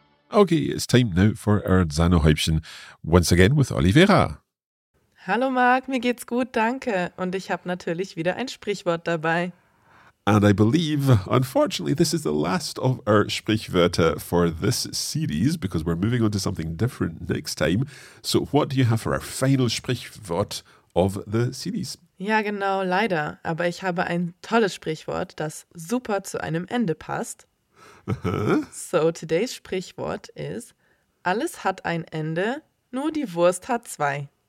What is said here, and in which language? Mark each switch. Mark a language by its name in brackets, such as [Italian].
[English] Okay, it's time now for our Sahnehäubchen, once again with Oliveira. [German] Hallo Marc, mir geht's gut, danke. Und ich habe natürlich wieder ein Sprichwort dabei. [English] And I believe, unfortunately, this is the last of our Sprichwörter for this series, because we're moving on to something different next time. So what do you have for our final Sprichwort of the series? [German] Ja, genau, leider. Aber ich habe ein tolles Sprichwort, das super zu einem Ende passt. [English] So, today's Sprichwort is, [German] alles hat ein Ende, nur die Wurst hat zwei.